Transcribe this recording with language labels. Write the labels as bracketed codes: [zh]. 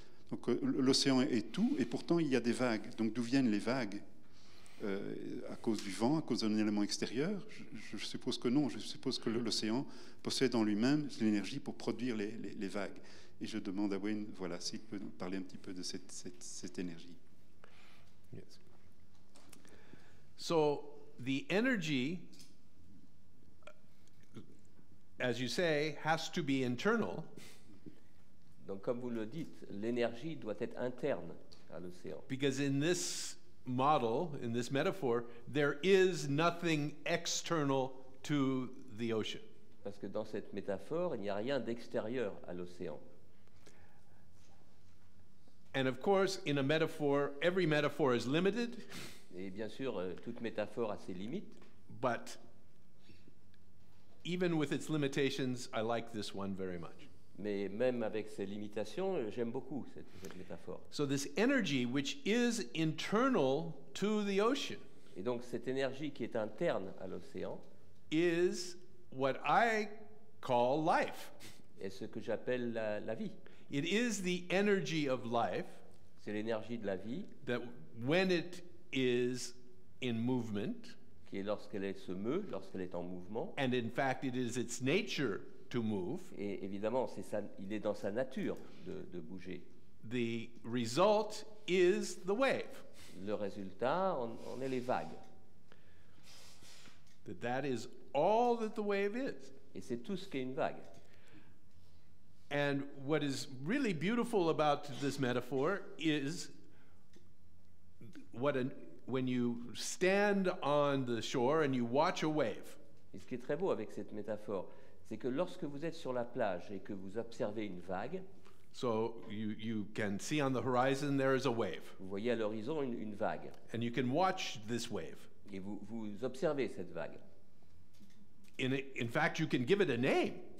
[fr] Donc l'océan est tout et pourtant il y a des vagues. Donc d'où viennent les vagues ? À cause du vent, à cause d'un élément extérieur, je suppose que non. Je suppose que l'océan possède en lui-même l'énergie pour produire les vagues. Et je demande à Wayne, voilà, s'il peut nous parler un petit peu de cette énergie. [en] Yes. So the energy, as you say, has to be internal. [fr] Donc, comme vous le dites, l'énergie doit être interne à l'océan. [en] Because in this model, in this metaphor, there is nothing external to the ocean. [fr] Parce que dans cette métaphore, il n'y a rien d'extérieur à l'océan. [en] And of course, in a metaphor, every metaphor is limited. [fr] Et bien sûr, toute métaphore a ses limites. [en] But even with its limitations, I like this one very much. [fr] Mais même avec ses limitations, j'aime beaucoup cette métaphore. [en] So this energy which is internal to the ocean. [fr] Et donc cette énergie qui est interne à l'océan [en] is what I call life. [fr] Est ce que j'appelle la vie. [en] It is the energy of life. [fr] C'est l'énergie de la vie. [en] That when it is in movement, [fr] qui est lorsqu'elle est en mouvement. [en] And in fact it is its nature to move. [fr] Et évidemment, c'est ça, il est dans sa nature de bouger. [en] The result is the wave. [fr] Le résultat, on est les vagues. [en] That is all that the wave is. [fr] Et c'est tout ce qu'est une vague. [en] And what is really beautiful about this metaphor is when you stand on the shore and you watch a wave. [fr] Et ce qui est très beau avec cette métaphore, c'est que lorsque vous êtes sur la plage et que vous observez une vague, [en] so you can see on the horizon there is a wave. [fr] Vous voyez à l'horizon une vague. [en] And you can watch this wave. [fr] Et vous observez cette vague. [en] In fact, you can give it a name.